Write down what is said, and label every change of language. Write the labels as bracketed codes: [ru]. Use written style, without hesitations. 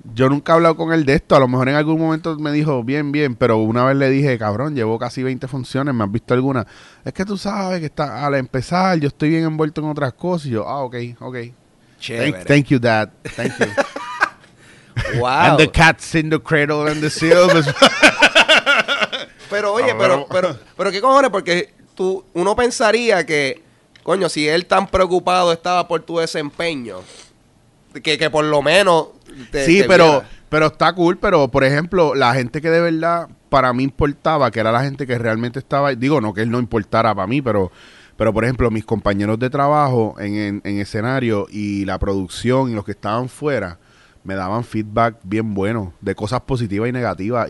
[es] Yo nunca he hablado con él de esto. A lo mejor en algún momento me dijo, bien, bien. Pero una vez le dije, cabrón, llevo casi 20 funciones. ¿Me has visto alguna? Es que tú sabes que está al empezar, yo estoy bien envuelto en otras cosas. Y yo, ok. Chévere. [en] Thank you, Dad. Thank you. Wow. And the cat's in the cradle and the seal. [es] Pero oye, pero qué cojones, porque uno pensaría que, coño, si él tan preocupado estaba por tu desempeño, que por lo menos pero está cool. Pero por ejemplo, la gente que de verdad para mí importaba, que era la gente que realmente estaba, digo, no que él no importara para mí, pero por ejemplo, mis compañeros de trabajo en escenario y la producción y los que estaban fuera me daban feedback bien bueno de cosas positivas y negativas.